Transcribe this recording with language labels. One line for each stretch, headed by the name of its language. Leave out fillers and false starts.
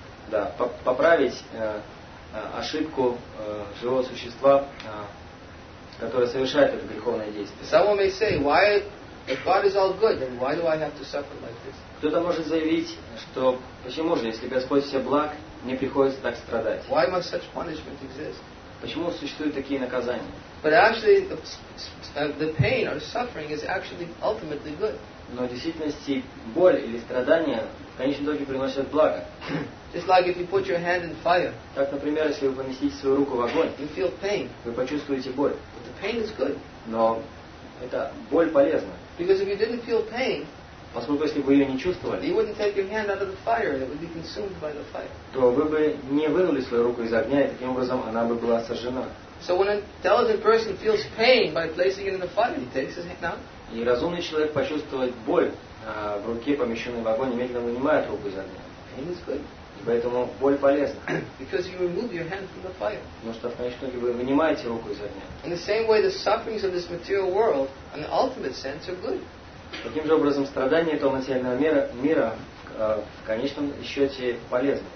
Russian: Да, поправить ошибку живого существа, которое совершает это греховное действие.
English: Someone may say, why if God is all good, then why do I have to suffer like this?
Russian: Кто-то может заявить, что почему же, если Господь все благ, мне приходится так страдать?
English: Why must such punishment exist?
Russian: Почему существуют такие наказания?
English: But actually, the pain or suffering is actually ultimately good.
Russian: Но в действительности боль или страдания в конечном итоге приносят благо.
English: Just like if you put your hand in fire.
Russian: Так, например, если вы поместите свою руку в огонь,
English: you feel pain.
Russian: Вы почувствуете боль.
English: But the pain is good.
Russian: Но это боль полезна.
English: Because if you didn't feel pain,
Russian: поскольку если бы вы ее не чувствовали,
English: you wouldn't take your hand out of the fire, it would be consumed by the fire.
Russian: То вы бы не вынули свою руку из огня, и таким образом она бы была сожжена.
English: So when an intelligent person feels pain by placing it in the fire, he takes his hand out.
Russian: И разумный человек почувствует боль в руке, помещенной в огонь, немедленно вынимает руку из огня.
English: Pain is good.
Russian: Поэтому боль полезна.
English: Because you remove your hand from the fire.
Russian: Потому что в конечном итоге вы вынимаете руку из огня.
English: In the same way, the sufferings of this material world, in the ultimate sense, are good.
Russian: Таким же образом, страдания этого материального мира в конечном счете полезны.